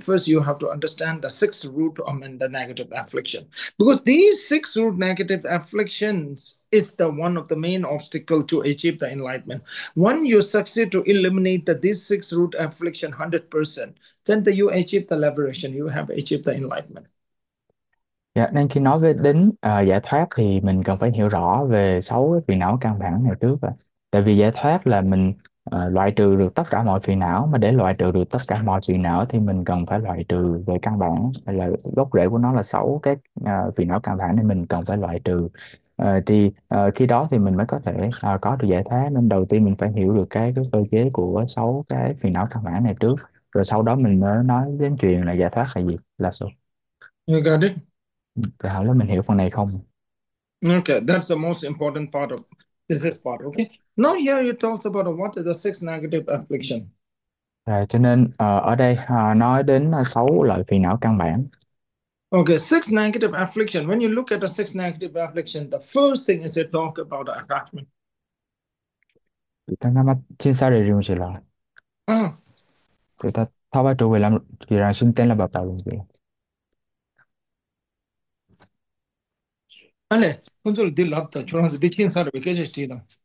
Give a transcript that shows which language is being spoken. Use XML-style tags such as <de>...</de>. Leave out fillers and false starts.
<en>First, you have to understand the six root of the negative affliction because these six root negative afflictions. Is the one of the main obstacle to achieve the enlightenment. When you succeed to eliminate the these six root affliction 100%, then you achieve the liberation. You have achieved the enlightenment.</en> <vi>Dạ, nên khi nói về đến giải thoát thì mình cần phải hiểu rõ về sáu cái phiền não căn bản này trước. Tại vì giải thoát là mình loại trừ được tất cả mọi phiền não, mà để loại trừ được tất cả mọi phiền não thì mình cần phải loại trừ về căn bản, hay là gốc rễ của nó là sáu cái phiền não căn bản nên mình cần phải loại trừ. Thì khi đó thì mình mới có thể có được giải thoát. Nên đầu tiên mình phải hiểu được cái cơ chế của sáu cái phiền não căn bản này trước, rồi sau đó mình mới nói đến chuyện là giải thoát là gì, là số.</vi> <en>You got it?</en> <vi>Để hỏi là mình hiểu phần này không?</vi> <en>Okay, that's the most important part of this part, okay? Now here you talk about what are the six negative affliction.</en> <vi>Rồi, cho nên ở đây nói đến sáu loại phiền não căn bản.</vi> <en>Okay, six negative affliction. When you look at the six negative affliction, the first thing is you talk about the attachment. Chúng ta nắm bắt chính xác để điều gì là chúng ta thao bắt trụ về làm gì là xin tên là bảo tàu gì. Ale, con số đi lập tờ, chúng ta đi chín sao được cái gì chứ nào?</en>